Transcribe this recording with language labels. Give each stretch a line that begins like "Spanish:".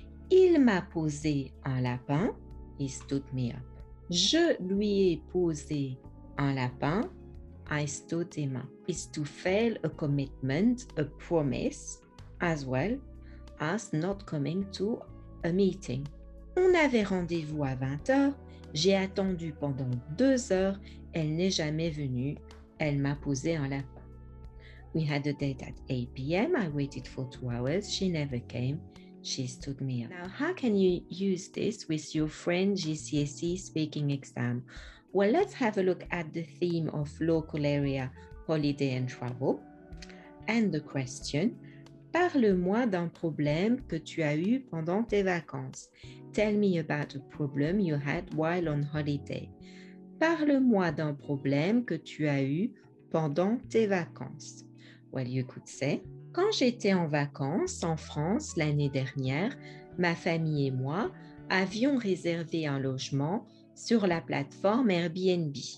French: Il m'a posé un lapin,
English: he stood me up.
French: Je lui ai posé un lapin,
English: I stood him up. It's to fail a commitment, a promise, as well as not coming to a meeting.
French: On avait rendez-vous à 20h, j'ai attendu pendant 2 heures, elle n'est jamais venue, elle m'a posé un lapin.
English: We had a date at 8 p.m, I waited for 2 hours, she never came. She stood me up. Now, how can you use this with your French GCSE speaking exam? Well, let's have a look at the theme of local area, holiday and travel. And the question,
French: parle-moi d'un problème que tu as eu pendant tes vacances.
English: Tell me about a problem you had while on holiday.
French: Parle-moi d'un problème que tu as eu pendant tes vacances.
English: Well, you could say,
French: quand j'étais en vacances en France l'année dernière, ma famille et moi avions réservé un logement sur la plateforme Airbnb.